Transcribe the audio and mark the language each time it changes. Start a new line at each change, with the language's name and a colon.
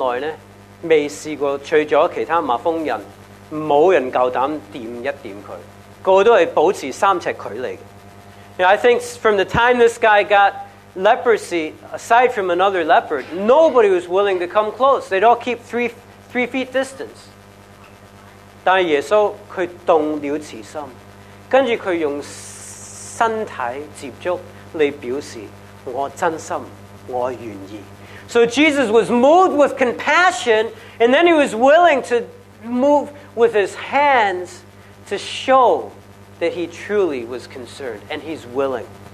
Chinese: 耶稣伸手摸他。我想这个人呢，惹了麻风病这么久呢，未试过除了其他麻风人。没人敢碰一碰他，每个人都是保持三尺距离的。
English: I think from the time this guy got leprosy, aside from another leopard, nobody was willing to come close. They'd all keep three feet distance.
Chinese: 但耶稣他动了慈心，接着他用身体接触来表示我真心，我愿意。So
English: Jesus was moved with compassion, and then he was willing to move with his hands to show that he truly was concerned and he's willing.